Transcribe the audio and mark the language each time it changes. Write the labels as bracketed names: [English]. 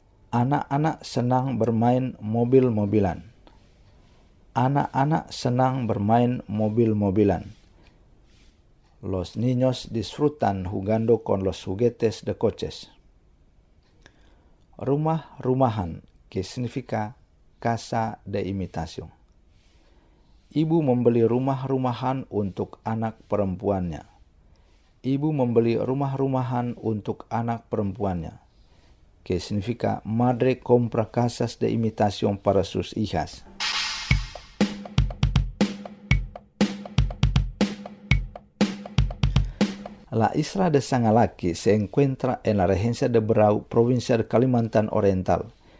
[Indonesian] Anak-anak senang bermain móvil-móvilan. Anak-anak senang bermain móvil-móvilan. [Spanish] Los niños disfrutan jugando con los juguetes de coches. Rumah-rumahan, que significa casa de imitación. [Indonesian] Ibu membeli rumah-rumahan untuk anak perempuannya. Ibu membeli rumah-rumahan untuk anak perempuannya. [Spanish] Que significa madre compra casas de imitación para sus hijas. La isla de Sangalaki se encuentra en la regencia de Berau, provincia de Kalimantan Oriental.